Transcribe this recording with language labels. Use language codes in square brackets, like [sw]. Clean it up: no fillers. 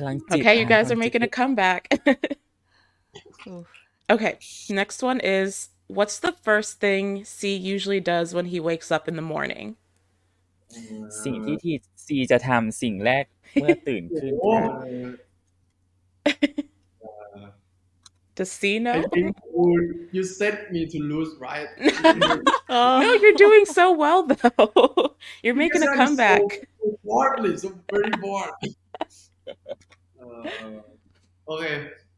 [en] Okay, you guys are making a comeback. Okay, next one is, what's the first thing C usually does when he wakes up in the morning? [th] สิ่งที่ที่ C จะทำสิ่งแรกเมื่อตื่นขึ้น [en] Does C know? I think you set me to lose, right? No, you're doing so well, though. You're making because a comeback. So very bored. Okay.